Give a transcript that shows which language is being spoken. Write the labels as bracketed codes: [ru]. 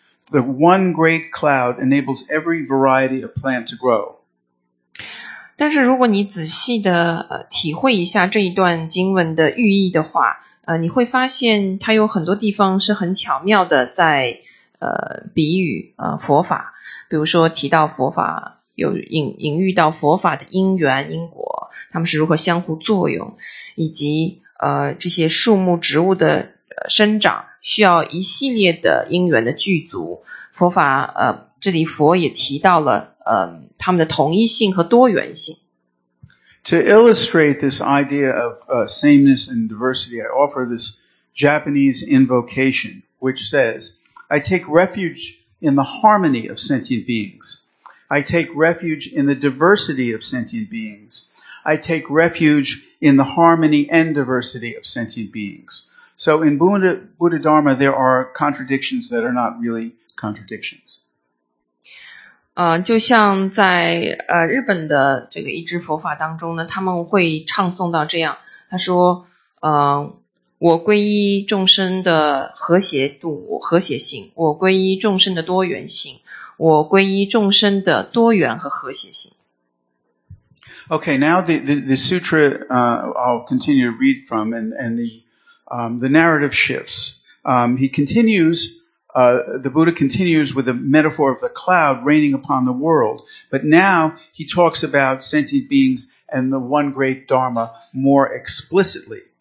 [en] The one great cloud enables every variety of plant to grow. [zh] 但是如果你仔细地体会一下这一段经文的寓意的话，你会发现它有很多地方是很巧妙的在比喻佛法，比如说提到佛法，有隐喻到佛法的因缘因果，他们是如何相互作用，以及这些树木植物的生长需要一系列的因缘的具足，佛法这里佛也提到了他们的同一性和多元性。 [en] To illustrate this idea of sameness and diversity, I offer this Japanese invocation, which says, I take refuge in the harmony of sentient beings. I take refuge in the diversity of sentient beings. I take refuge in the harmony and diversity of sentient beings. So in Buddha Dharma, there are contradictions that are not really contradictions. [zh] 就像在日本的这个一支佛法当中呢，他们会唱诵到这样，他说我皈依众生的和谐度和谐性，我皈依众生的多元性，我皈依众生的多元和和谐性。 [en] Okay, now the sutra I'll continue to read from and the narrative shifts. He continuesthe Buddha continues with the metaphor of the cloud raining upon the world, but now he talks about sentient beings and the one great Dharma more explicitly.